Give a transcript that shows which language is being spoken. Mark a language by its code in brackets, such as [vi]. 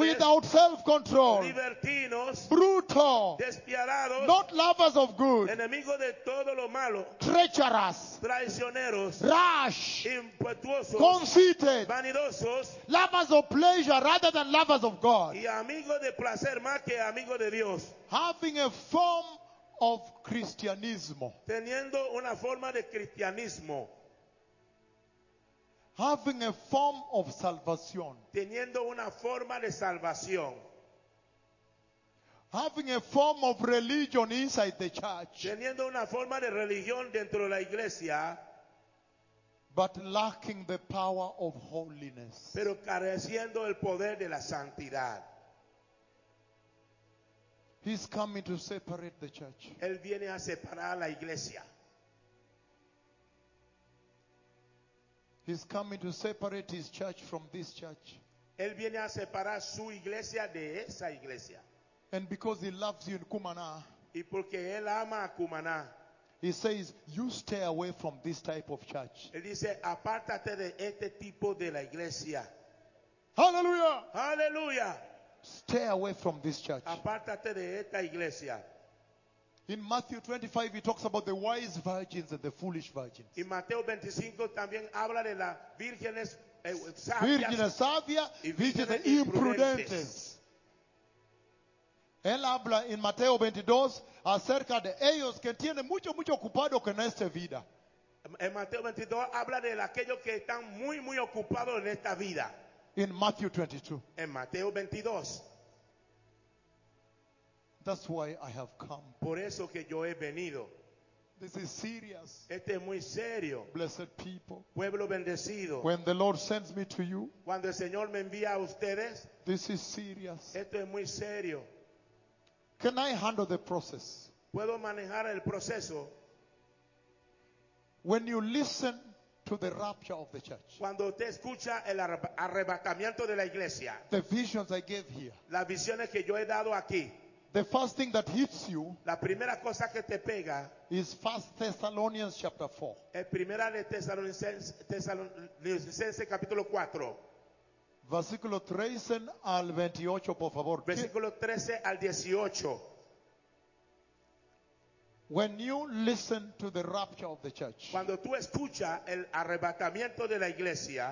[en] without self-control, [es] libertinos, [en] brutal, [es] despiadados, [en] not lovers of good, [es] enemigos de todo lo malo, [en] treacherous, [es] traicioneros, [en] rash, [es] impetuosos, [en] conceited, [es] vanidosos, [en] lovers of pleasure rather than lovers of God, [es] y amigos de placer más que amigos de Dios, [en] having a form of [es] Christianismo. Teniendo una forma de cristianismo. [en] Having a form of [es] salvación. Teniendo una forma de salvación. [en] Having a form of religion inside the church. [es] Teniendo una forma de religión dentro de la iglesia. [en] But lacking the power of holiness. [es] Pero careciendo el poder de la santidad. [en] He's coming to separate the church. [es] Él viene a separar la iglesia. [en] He's coming to separate his church from this church. [es] Él viene a separar su iglesia de esa iglesia. [en] And because he loves you in Cumaná, [es] y porque él ama a Cumaná, [en] he says, you stay away from this type of church. [es] Él dice, apártate de este tipo de la iglesia. [en] Hallelujah! [es] Hallelujah! [en] Stay away from this church. [es] Apártate de esta iglesia. [en] In Matthew 25, he talks about the wise virgins and the foolish virgins. [es] Y Mateo 25 también habla de las vírgenes sabias. Vírgenes sabias y vírgenes imprudentes. Él habla en Mateo 22 acerca de ellos que tienen mucho, mucho ocupado con esta vida. En Mateo 22 habla de aquellos que están muy, muy ocupados en esta vida. [en] In Matthew 22. [es] En Mateo 22. [en] That's why I have come. [es] Por eso que yo he venido. [en] This is serious. [es] Este es muy serio. [en] Blessed people. [es] Pueblo bendecido. [en] When the Lord sends me to you. [es] Cuando el Señor me envía a ustedes. [en] This is serious. [es] Esto es muy serio. [en] Can I handle the process? [es] Puedo manejar el proceso. [en] When you listen to the rapture of the church. [es] Cuando usted escucha el arrebatamiento de la iglesia. [en] The visions I gave here. [es] Las visiones que yo he dado aquí. [en] The first thing that hits you, [es] la primera cosa que te pega, [en] is 1 Thessalonians chapter 4. [es] El primera de Tesalonicenses capítulo 4. Versículo 13 al 28, por favor. Versículo 13 al 18. [en] When you listen to the rapture of the church, [es] cuando tú escuchas el arrebatamiento de la iglesia,